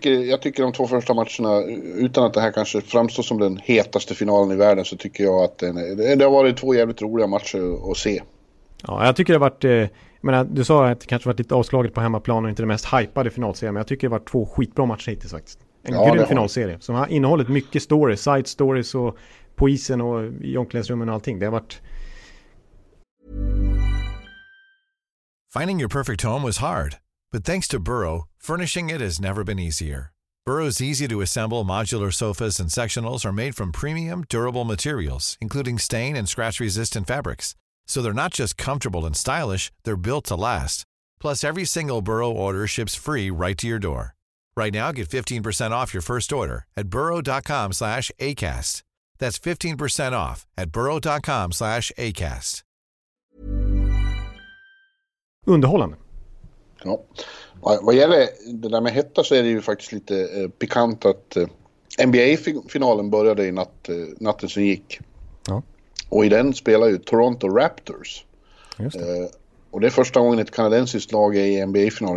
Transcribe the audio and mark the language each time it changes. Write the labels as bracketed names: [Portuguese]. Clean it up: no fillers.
[Swedish] Jag tycker de två första matcherna, utan att det här kanske framstår som den hetaste finalen i världen, så tycker jag att det har varit två jävligt roliga matcher att se. Ja, jag tycker det har varit, du sa att det kanske varit lite avslaget på hemmaplan och inte det mest hypade finalserien, men jag tycker det har varit två skitbra matcher hittills faktiskt. En grym finalserie som har innehållit mycket stories, side stories och på isen och i omklädningsrummen och allting. Det har varit... [English] Finding your perfect home was hard. But thanks to Burrow, furnishing it has never been easier. Burrow's easy-to-assemble modular sofas and sectionals are made from premium, durable materials, including stain and scratch-resistant fabrics. So they're not just comfortable and stylish, they're built to last. Plus, every single Burrow order ships free right to your door. Right now, get 15% off your first order at burrow.com/ACAST. That's 15% off at burrow.com/ACAST. [Swedish] Underhållande. Ja. Vad gäller det där med hetta, så är det ju faktiskt lite pikant att NBA-finalen började i natten som gick. Ja. Och i den spelar ju Toronto Raptors. Just det. Och det är första gången ett kanadensiskt lag är i NBA-finalen.